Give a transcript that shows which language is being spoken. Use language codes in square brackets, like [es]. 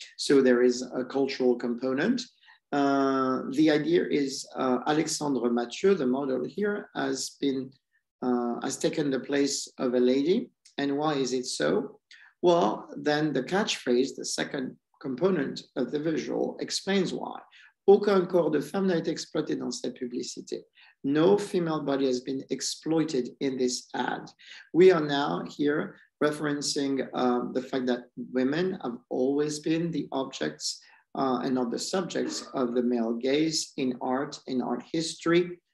[en] So there is a cultural component. The idea is Alexandre Mathieu, the model here, has taken the place of a lady. And why is it so? Well, then the catchphrase, the second component of the visual, explains why. [fr] Aucun corps de femme n'a été exploité dans cette publicité. [en] No female body has been exploited in this ad. We are now here referencing the fact that women have always been the objects and not the subjects of the male gaze in art history.